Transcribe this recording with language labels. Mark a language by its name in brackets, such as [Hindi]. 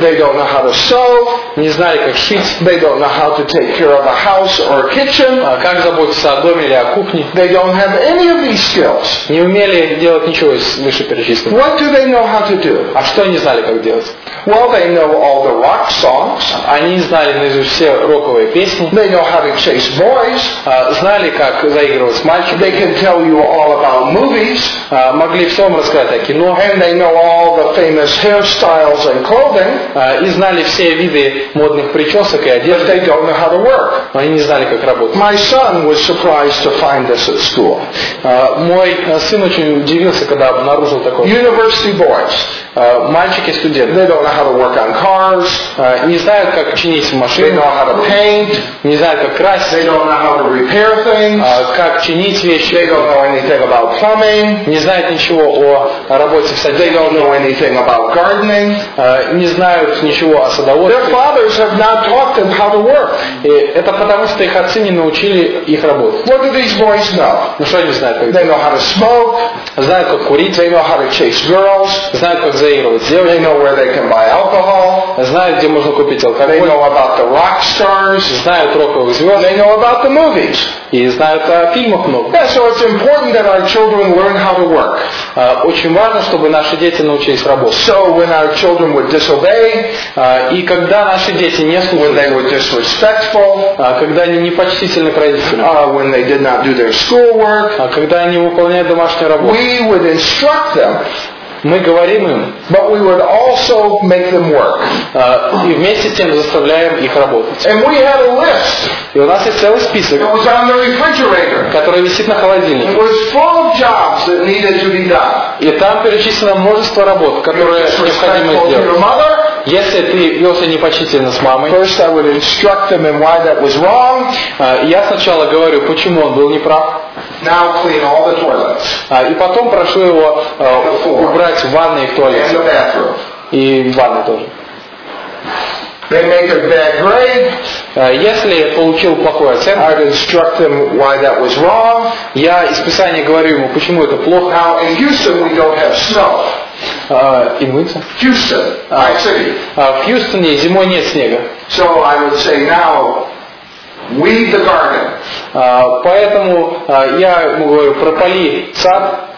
[English] They don't know how to sew. [Russian] Не знали, как шить. [English] They don't know how to take care of a house or a kitchen. [Russian] Как заботиться о доме или о кухне. [English] They don't have any of these skills. [Russian] Не умели делать ничего из вышеперечисленного. [English] What do they know how to do? [Russian] А что они знали, как делать? [English] Well, they know all the rock songs. [Russian] Они знали наизусть все роковые песни. [English] They know how to chase boys. [Russian] Знали, как заигрывать с мальчиками. [English] They can tell you all about movies. [Russian] Могли все вам рассказать о кино. [English] And they know all the famous hairstyles and clothing. [Russian] И знали все виды модных причесок и одежды. [English] But they don't know how to work. [Russian] Они не знали, как работать. [English] My son was surprised to find this at school. [Russian] Мой сын очень удивился, когда обнаружил такое. [English] University boys. [Russian] Мальчики студенты. [English] They don't know how to work on cars. [Russian] Не знают, как чинить машины. [English] They know how to paint. [Russian] Не знают, как красить. [English] They don't know how to repair things. [Russian] Как чинить вещи. [English] They don't know anything about plumbing. [Russian] Не знают ничего о работе в саду. [English] They don't know anything about gardening. [Russian] Не знают ничего о садоводстве. [English] Their fathers have not taught them how to work. [Russian] И это потому, что их отцы не научили их работать. [English] What do these boys know? [Russian] Ну что они знают? [English] They know how to smoke. [Russian] Знают, как курить. [English] They know how to chase girls. [Russian] Знают, как заигрывать. [English] They know where they can buy alcohol. [Russian] Знают, где можно купить алкоголь. [English] They know about the rock stars. [Russian] Знают роковых звезд. [English] They know about the movies. [Russian] И знают о фильмах много. [English] Yeah, so it's important that our children learn how to work. [Russian] Очень важно, чтобы наши дети научились работать. [English] So when our children would disobey, [Russian] и когда наши дети не слушались, [English] when they were disrespectful, [Russian] когда они непочтительны к родителям, [English] when they did not do their schoolwork, [Russian] когда они выполняют домашнюю работу, [English] we would instruct them. [Russian] Мы говорим им, [English] but we would also make them work. [Russian] И вместе с тем заставляем их работать. [English] And we had a list. [Russian] И у нас есть целый список, [English] it was on the refrigerator, [Russian] который висит на холодильнике. [English] It was full of jobs that needed to be done. [Russian] И там перечислено множество работ, которые необходимо сделать. Если ты велся непочтительно с мамой, [English] first I would instruct them in why that was wrong. [Russian] Я сначала говорю, почему он был неправ. [English] Now clean all the toilets. [Russian] И потом прошу его убрать ванны и в туалете. [English] And the bathroom. [Russian] И ванны тоже. [English] They make a bad grade. [Russian] Если получил плохую оценку, [English] I'd instruct them why that was wrong. [Russian] Я из Писания говорю ему, почему это плохо. [English] Now in Houston we don't have snow. In winter? Houston, my city. [Russian] В Хьюстоне зимой нет снега. [English] So I would say now weed the garden. [Russian] Поэтому я говорю, пропали сад.